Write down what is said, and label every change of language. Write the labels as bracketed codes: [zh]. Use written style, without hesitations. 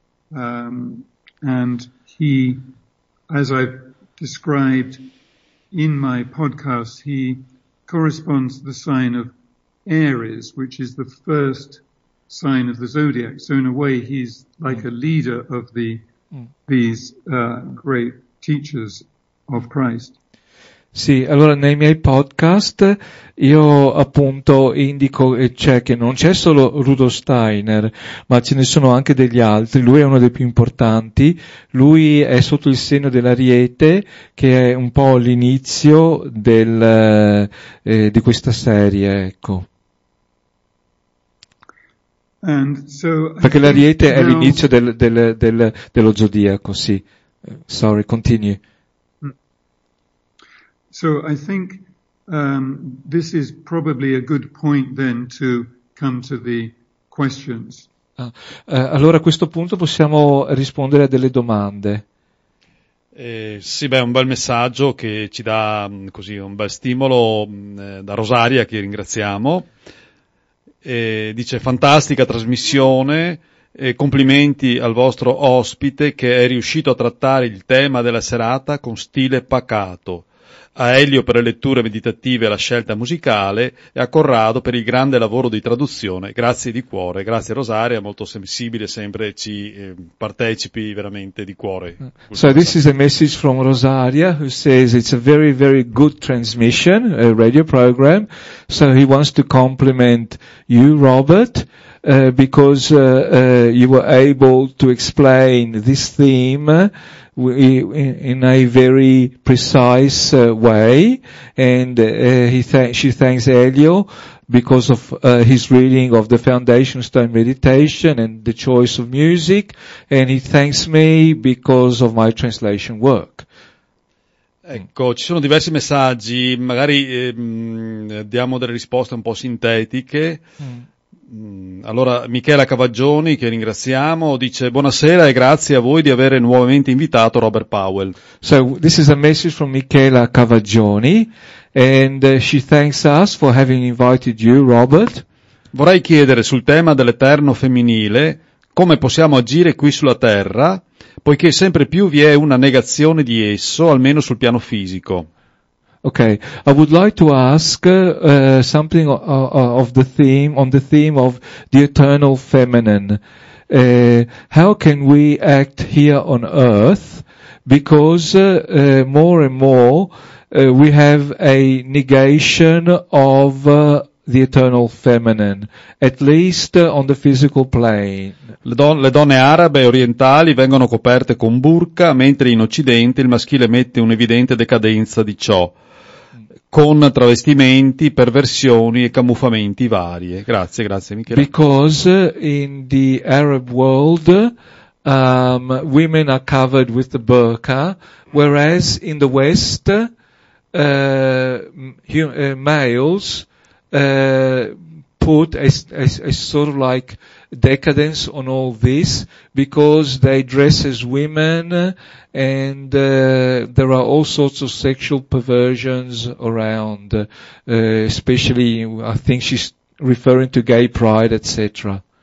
[en] And he, as I've described in my podcast, he corresponds to the sign of Aries, which is the first sign of the zodiac, so in a way he's like a leader of these great teachers of Christ. [it] Sì, allora nei miei podcast io appunto indico che non c'è solo Rudolf Steiner, ma ce ne sono anche degli altri. Lui è uno dei più importanti. Lui è sotto il segno dell'Ariete, che è un po' l'inizio di questa serie, ecco. [en] And so, [it] perché l'Ariete è l'inizio dello zodiaco, sì. [en] Sorry, continue. So I think this is probably a good point then to come to the questions. [it] Allora a questo punto possiamo rispondere a delle domande. Sì, beh, un bel messaggio che ci dà così un bel stimolo da Rosaria, che ringraziamo. Dice: fantastica trasmissione, complimenti al vostro ospite che è riuscito a trattare il tema della serata con stile pacato, a Elio per le letture meditative e la scelta musicale e a Corrado per il grande lavoro di traduzione. Grazie di cuore. Grazie Rosaria, molto sensibile, sempre ci partecipi veramente di cuore. [en] So this is a message from Rosaria who says it's a very very good transmission, a radio program, so he wants to compliment you Robert because you were able to explain this theme in a very precise way, and she thanks Elio because of his reading of the Foundation Stone Meditation and the choice of music, and he thanks me because of my translation work. [it] Ecco, ci sono diversi messaggi, magari diamo delle risposte un po' sintetiche. Allora, Michela Cavaggioni, che ringraziamo, dice: buonasera e grazie a voi di aver nuovamente invitato Robert Powell. [en] So, this is a message from Michela Cavaggioni, and she thanks us for having invited you, Robert. [it] Vorrei chiedere sul tema dell'eterno femminile, come possiamo agire qui sulla Terra, poiché sempre più vi è una negazione di esso, almeno sul piano fisico. [en] Okay, I would like to ask something of the theme, on the theme of the eternal feminine. How can we act here on earth? Because more and more we have a negation of the eternal feminine, at least on the physical plane. [it] Le donne arabe e orientali vengono coperte con burka, mentre in Occidente il maschile mette un'evidente decadenza di ciò, con travestimenti, perversioni e camuffamenti varie. Grazie, grazie Michele. [en] Because in the Arab world women are covered with the burqa, whereas in the West males put a sort of like decadence on all this because they dress as women and there are all sorts of sexual perversions around, especially I think she's referring to gay pride, etc.